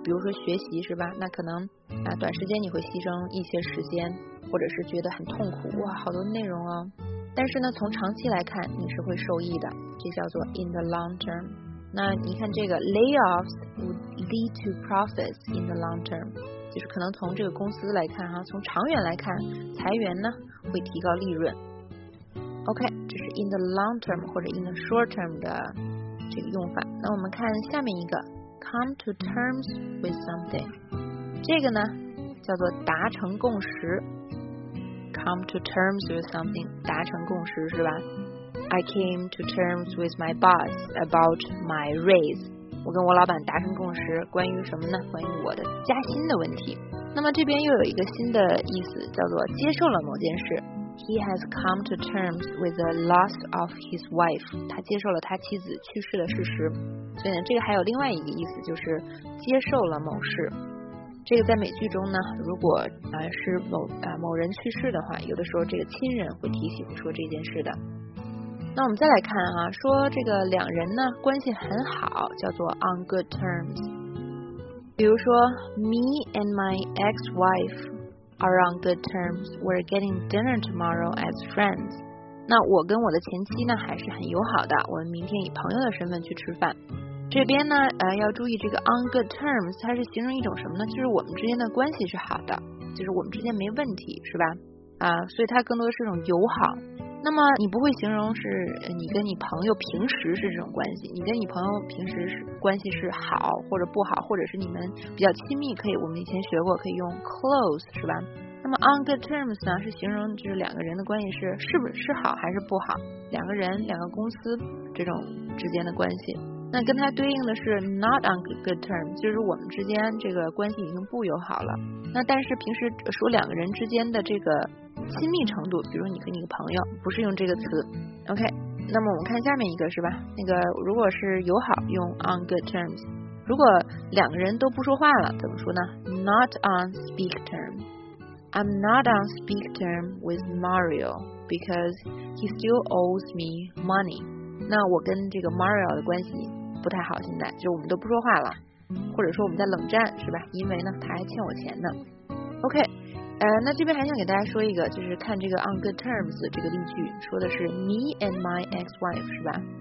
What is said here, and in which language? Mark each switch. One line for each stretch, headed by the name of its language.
Chinese: 比如说学习是吧，那可能啊短时间你会牺牲一些时间，或者是觉得很痛苦，哇好多内容啊，但是呢从长期来看你是会受益的，这叫做
English: in the long term。
Chinese: 那你看这个
English: layoffs would lead to profits in the long term，
Chinese: 就是可能从这个公司来看啊，从长远来看裁员呢会提高利润。 OK， 这是
English: in the long term
Chinese: 或者
English: in the short term
Chinese: 的这个用法。那我们看下面一个
English: come to terms with something，
Chinese: 这个呢叫做达成共识。
English: Come to terms with something，
Chinese: 达成共识是吧？
English: I came to terms with my boss about my raise，
Chinese: 我跟我老板达成共识，关于什么呢？关于我的加薪的问题。那么这边又有一个新的意思，叫做接受了某件事。
English: He has come to terms with the loss of his wife，
Chinese: 他接受了他妻子去世的事实。所以呢这个还有另外一个意思，就是接受了某事。这个在美剧中呢，如果是某人去世的话，有的时候这个亲人会提醒说这件事的。那我们再来看啊，说这个两人呢关系很好，叫做
English: on good terms。比如说 ，Me and my ex-wife are on good terms. We're getting dinner tomorrow as friends.
Chinese: 那我跟我的前妻呢还是很友好的，我们明天以朋友的身份去吃饭。这边呢要注意这个
English: on good terms，
Chinese: 它是形容一种什么呢，就是我们之间的关系是好的，就是我们之间没问题是吧，所以它更多的是一种友好。那么你不会形容是你跟你朋友平时是这种关系，你跟你朋友平时是关系是好或者不好，或者是你们比较亲密，可以我们以前学过可以用 close 是吧。那么
English: on good terms
Chinese: 呢是形容就是两个人的关系是不是好还是不好，两个人两个公司这种之间的关系。那跟它对应的是
English: not on good terms，
Chinese: 就是我们之间这个关系已经不友好了。那但是平时说两个人之间的这个亲密程度，比如你和你的朋友，不是用这个词。 OK， 那么我们看下面一个是吧，那个如果是友好用
English: on good terms，
Chinese: 如果两个人都不说话了怎么说呢？
English: not on speak term， I'm not on speak term with Mario because he still owes me money。
Chinese: 那我跟这个 Mario 的关系不太好，现在就我们都不说话了，或者说我们在冷战是吧，因为呢他还欠我钱呢。 OK， 那这边还想给大家说一个，就是看这个
English: on good terms
Chinese: 这个例句说的是
English: me and my ex-wife
Chinese: 是吧。